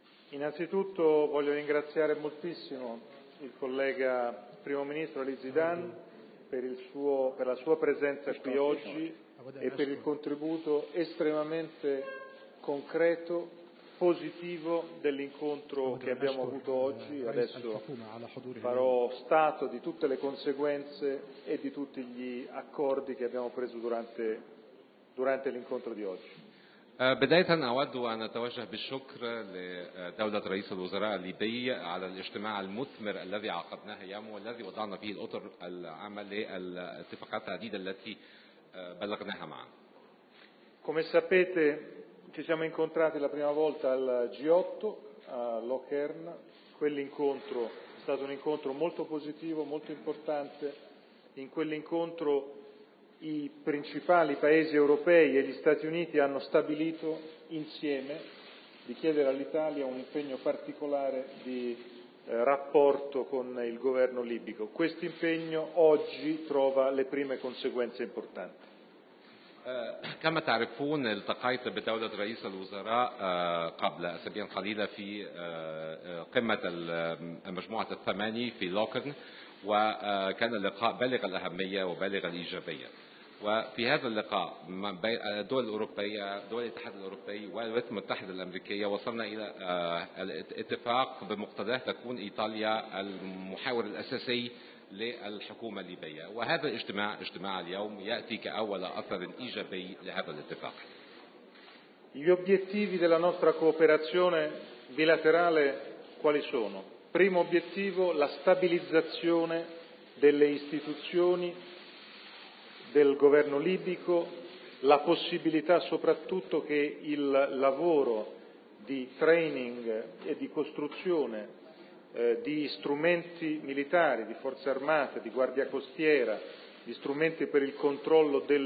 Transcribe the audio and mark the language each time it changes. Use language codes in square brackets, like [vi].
[it] Innanzitutto voglio ringraziare moltissimo il collega primo ministro Lee Zidane per la sua presenza qui oggi e per il contributo estremamente concreto, positivo dell'incontro che abbiamo avuto oggi. Adesso farò stato di tutte le conseguenze e di tutti gli accordi che abbiamo preso durante l'incontro di oggi. [ar] بداية أود أن أتوجه بالشكر لدولة رئيس الوزراء الليبي على الاجتماع المثمر الذي عقدناه اليوم والذي وضعنا فيه الأطر العمل للاتفاقات العديدة التي بلغناها معا. [it] Come sapete ci siamo incontrati la prima volta al G8 a Lokern. Quell'incontro è stato un incontro molto positivo, molto importante. In quell'incontro i principali paesi europei e gli Stati Uniti hanno stabilito insieme di chiedere all'Italia un impegno particolare di rapporto con il governo libico. Questo impegno oggi trova le prime conseguenze importanti. [ar] كما تعرفون التقيت بدولة رئيس الوزراء قبل أسابيع قليلة في قمة المجموعة الثمانية في لوكرن وكان اللقاء بالغ الأهمية وبالغ الإيجابية وفي هذا اللقاء بين الدول الأوروبية دول الاتحاد الأوروبي والولايات المتحدة الأمريكية وصلنا إلى الاتفاق بمقتضاه تكون إيطاليا المحاور الأساسي للحكومة الليبية وهذا اجتماع اليوم يأتي كأول أثر إيجابي لهذا الاتفاق. [it] Gli obiettivi della nostra cooperazione bilaterale quali sono? Primo obiettivo la stabilizzazione delle istituzioni del governo libico, la possibilità soprattutto che il lavoro di training e di costruzione di strumenti militari, di forze armate, di guardia costiera, di strumenti per il controllo